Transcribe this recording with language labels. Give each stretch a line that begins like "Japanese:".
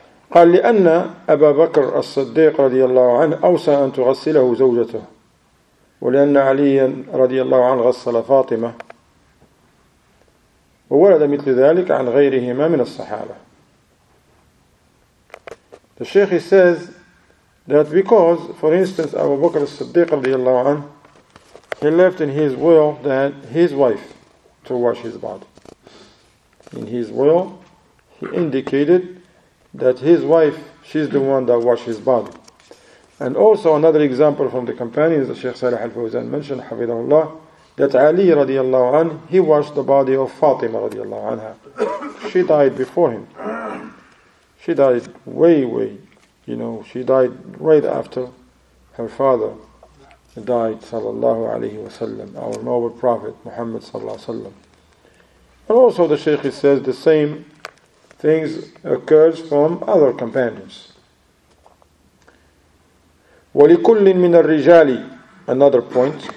Arabic: قال لأن أبا بكر الصديق رضي الله عنه أوصى أن تغسله زوجته ولأن علي رضي الله عنه غسل فاطمة وولد مثل ذلك عن غيرهما من الصحابة.
English: The Sheikh says that because, for instance, Abu Bakr al-Siddiq رضي الله عنه, he left in his will that his wife to wash his body. In his will, he indicated that his wife, she's the one that washes his body. And also another example from the companions, the Sheikh Salih al-Fawzan mentioned, Hafidahullah, that Ali radiallahu anhu, he washed the body of Fatima radiallahu anha. She died before him. She died way, you know, she died right after her father died, sallallahu alayhi wa sallam, our noble prophet, Muhammad sallallahu alayhi wa sallam. And also the Sheikh, he says the same things occurs from other companions.
Arabic: وَلِكُلٍ مِنَ الرِّجَالِ
English: Another point.